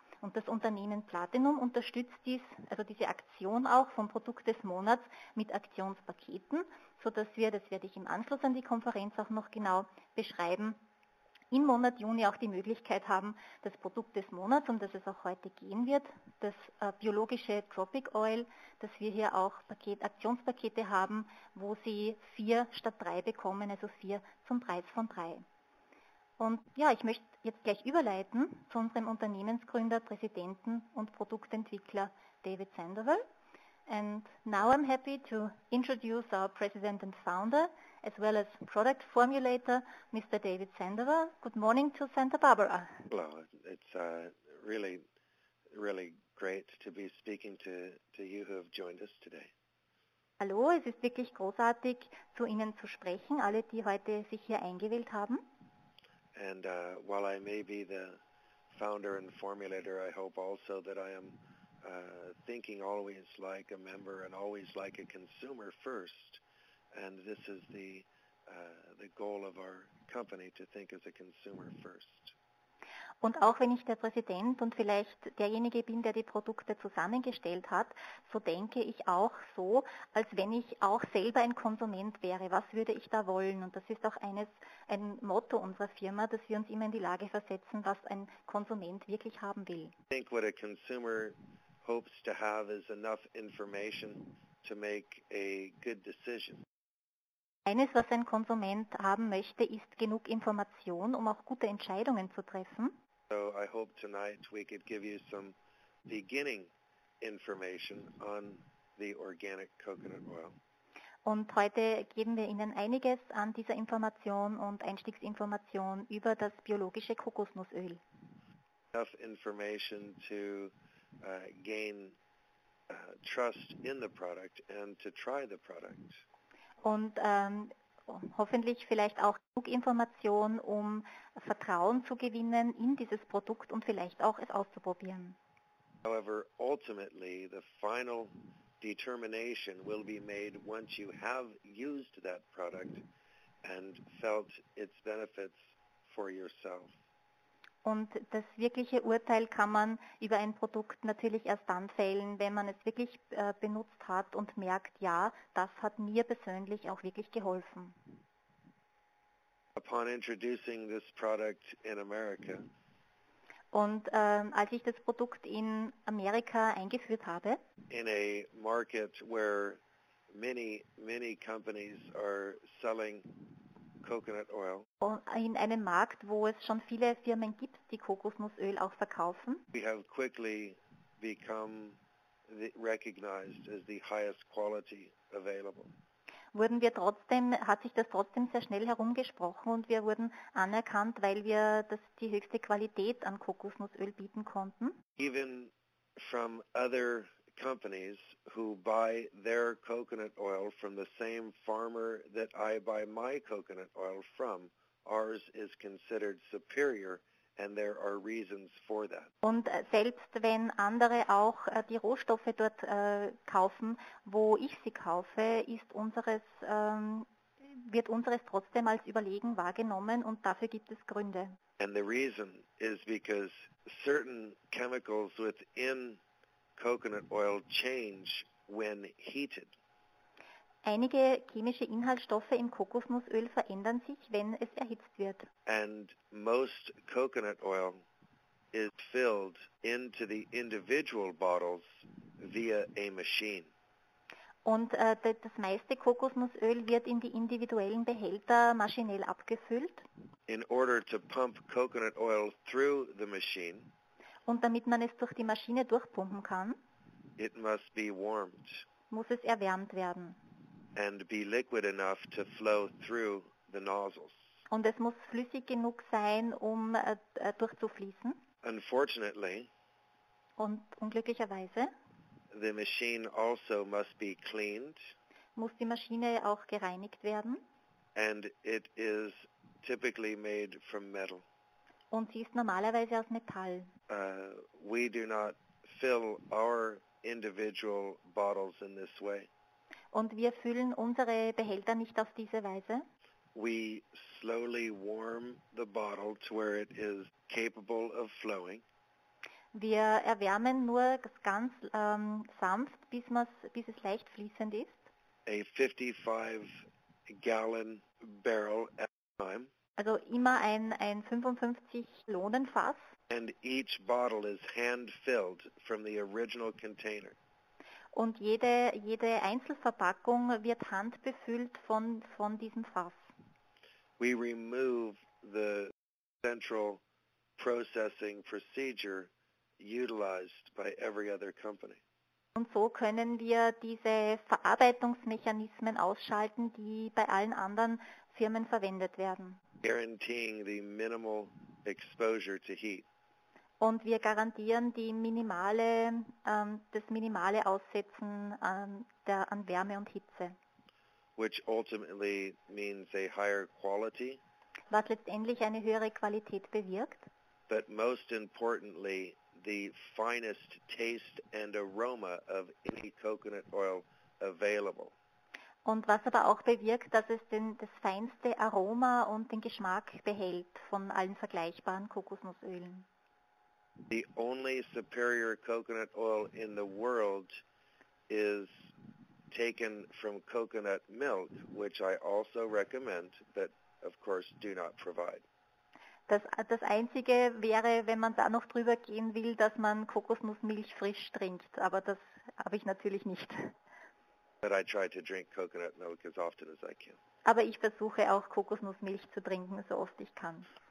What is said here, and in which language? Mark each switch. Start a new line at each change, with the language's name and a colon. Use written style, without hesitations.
German: Und das Unternehmen Platinum unterstützt also diese Aktion auch vom Produkt des Monats mit Aktionspaketen, sodass wir, das werde ich im Anschluss an die Konferenz auch noch genau beschreiben, im Monat Juni auch die Möglichkeit haben, das Produkt des Monats, um das es auch heute gehen wird, das biologische Tropic Oil, dass wir hier auch Aktionspakete haben, wo Sie 4 statt 3 bekommen, also 4 zum Preis von 3. Und ja, ich möchte jetzt gleich überleiten zu unserem Unternehmensgründer, Präsidenten und Produktentwickler David Sandoval.
English: And now I'm happy to introduce our President and Founder, as well as Product Formulator, Mr. David Sandoval. Good morning to Santa Barbara. Hello, it's really, really great to be speaking to you who have joined us today.
German: Hallo, es ist wirklich großartig, zu Ihnen zu sprechen, alle, die heute sich hier eingewählt haben.
English: And while I may be the founder and formulator, I hope also that I am thinking always like a member and always like a consumer first. And this is the goal of our company, to think as a consumer first.
German: Und auch wenn ich der Präsident und vielleicht derjenige bin, der die Produkte zusammengestellt hat, so denke ich auch so, als wenn ich auch selber ein Konsument wäre. Was würde ich da wollen? Und das ist auch ein Motto unserer Firma, dass wir uns immer in die Lage versetzen, was ein Konsument wirklich haben will.
English: Think what a consumer hopes to have is enough information to make a good decision.
German: Eines, was ein Konsument haben möchte, ist genug Information, um auch gute Entscheidungen zu treffen.
English: So I hope tonight we could give you some beginning information on the organic coconut oil.
German: Und heute geben wir Ihnen einiges an dieser Information und Einstiegsinformation über das biologische Kokosnussöl.
English: Enough information to gain trust in the product and to try the product.
German: Und hoffentlich vielleicht auch genug Information, um Vertrauen zu gewinnen in dieses Produkt und vielleicht auch es auszuprobieren.
English: However, ultimately, the final determination will be made once you have used that product and felt its benefits for yourself.
German: Und das wirkliche Urteil kann man über ein Produkt natürlich erst dann fällen, wenn man es wirklich benutzt hat und merkt, ja, das hat mir persönlich auch wirklich geholfen.
English: Upon introducing this product in America.
German: Und als ich das Produkt in Amerika eingeführt habe,
English: In a market where many, many companies are selling coconut oil.
German: in einem Markt, wo es schon viele Firmen gibt, die Kokosnussöl auch verkaufen.
English: We have quickly become recognized as the highest quality available.
German: Hat sich das trotzdem sehr schnell herumgesprochen und wir wurden anerkannt, weil wir die höchste Qualität an Kokosnussöl bieten konnten.
English: Even from other companies who buy their coconut oil from the same farmer that I buy my coconut oil from ours is considered superior, and there are reasons for that.
German: Und selbst wenn andere auch die Rohstoffe dort kaufen, wo ich sie kaufe, ist unseres wird unseres trotzdem als überlegen wahrgenommen, und dafür gibt es Gründe.
English: And the reason is because certain chemicals within coconut oil change when heated.
German: Einige chemische Inhaltsstoffe im Kokosnussöl verändern sich, wenn es erhitzt wird.
English: And most coconut oil is filled into the individual bottles via a machine.
German: Und das meiste Kokosnussöl wird in die individuellen Behälter maschinell abgefüllt.
English: In order to pump coconut oil through the machine.
German: Und damit man es durch die Maschine durchpumpen kann.
English: It must be warmed.
German: Muss es erwärmt werden.
English: And be liquid enough to flow through the nozzles.
German: Und es muss flüssig genug sein, um durchzufließen.
English: Unfortunately.
German: Und unglücklicherweise.
English: The machine also must be cleaned.
German: Muss die Maschine auch gereinigt werden.
English: And it is typically made from metal.
German: Und sie ist normalerweise aus Metall.
English: We do not fill our individual bottles in this way.
German: Und wir füllen unsere Behälter nicht auf diese Weise.
English: We slowly warm the bottle to where it is capable of flowing.
German: Wir erwärmen nur ganz sanft, bis es leicht fließend ist.
English: A 55-gallon barrel at a time.
German: Also immer ein 55-Lonen-Fass.
English: And each bottle is hand-filled from the original container.
German: Und jede Einzelverpackung wird handbefüllt von diesem Fass.
English: We remove the central processing procedure utilized by every other company.
German: Und so können wir diese Verarbeitungsmechanismen ausschalten, die bei allen anderen Firmen verwendet werden.
English: Guaranteeing the minimal exposure to heat.
German: Und wir garantieren das minimale Aussetzen an Wärme und Hitze.
English: Which ultimately means a higher quality.
German: Was letztendlich eine höhere Qualität bewirkt.
English: But most importantly, the finest taste and aroma of any coconut oil available.
German: Und was aber auch bewirkt, dass es das feinste Aroma und den Geschmack behält von allen vergleichbaren Kokosnussölen.
English: The only superior coconut oil in the world is taken from coconut milk, which I also recommend, but of course do not provide.
German: Das Einzige wäre, wenn man da noch drüber gehen will, dass man Kokosnussmilch frisch trinkt, aber das habe ich natürlich nicht.
English: But I try to drink coconut milk as often as I can.
German: Aber ich versuche auch Kokosnussmilch zu trinken, so oft ich kann.